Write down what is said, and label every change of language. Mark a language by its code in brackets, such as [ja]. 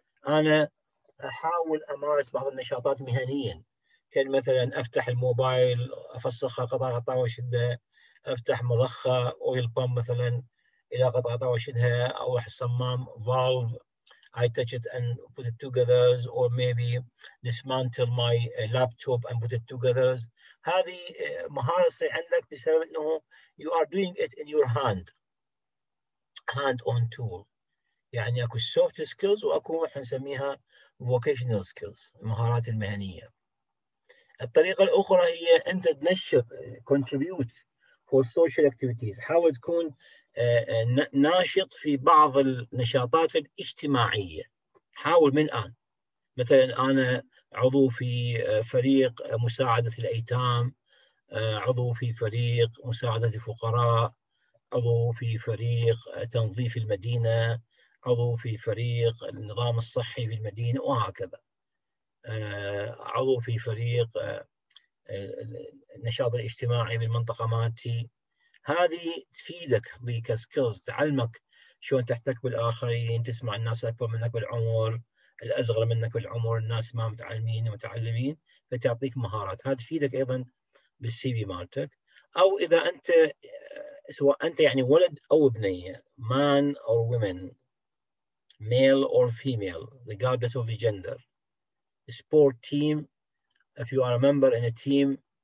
[ar] أنا أحاول أمارس بعض النشاطات مهنيا، كمثلا أفتح الموبايل أفسخ قطع قطع وأشدها، أفتح مضخة أويل بام مثلا إلى قطع قطع وأشدها، أو أحس صمام فالف [en] I touch it and put it together, [ar] or maybe dismantle my laptop and put it together. هذه مهارة عندك بسبب أنه [en] you are doing it in your hand, hand-on tool. [ar] يعني أكو soft skills وأكو إحنا نسميها vocational skills، المهارات المهنية. الطريقة الأخرى هي أنت تنشط [en] contribute for social activities. [ar] حاول تكون ناشط في بعض النشاطات الاجتماعية. حاول من الآن، مثلا أنا عضو في فريق مساعدة الأيتام، عضو في فريق مساعدة الفقراء، عضو في فريق تنظيف المدينة، عضو في فريق النظام الصحي في المدينة، وهكذا. عضو في فريق النشاط الاجتماعي في المنطقة مالتي. هذه تفيدك بك سكيلز، تعلمك شلون تحتك بالآخرين، تسمع الناس أكبر منك بالعمر، الأصغر منك بالعمر، الناس ما متعلمين ومتعلمين، فتعطيك مهارات. هذا تفيدك أيضا بالسي في مالتك. أو إذا أنت سواء أنت يعني ولد أو بنية، [en] man or women، male or female regardless of the gender، sport team if you are a member in a team،